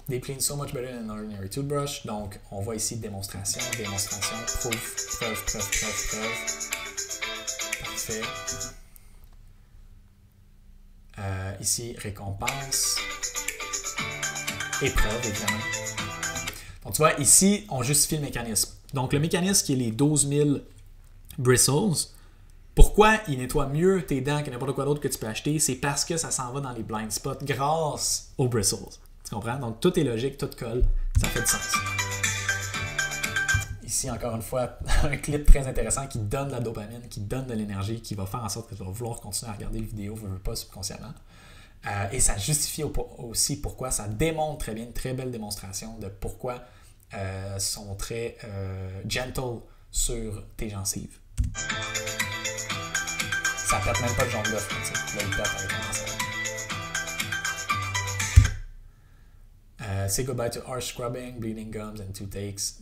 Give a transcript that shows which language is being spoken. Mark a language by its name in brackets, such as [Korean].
[English] They clean so much better than an ordinary toothbrush. [French] Donc on voit ici démonstration, démonstration, proof, preuve, preuve, preuve, preuve. Parfait. Ici récompense. Épreuve évidemment. Donc tu vois, ici on justifie le mécanisme. Donc le mécanisme qui est les 12 000 bristles, pourquoi il nettoie mieux tes dents que n'importe quoi d'autre que tu peux acheter? C'est parce que ça s'en va dans les blind spots grâce aux bristles. Tu comprends? Donc tout est logique, tout colle, ça fait du sens. Ici, encore une fois, un clip très intéressant qui donne de la dopamine, qui donne de l'énergie, qui va faire en sorte que tu vas vouloir continuer à regarder la vidéo, veux pas subconsciemment. Et ça justifie aussi pourquoi ça démontre très bien, une très belle démonstration de pourquoi sont très gentle sur tes gencives. Ça pète même pas de jaune d'œuf, là, il pète avec un cancer. [English] Say goodbye to harsh scrubbing, bleeding gums and toothaches.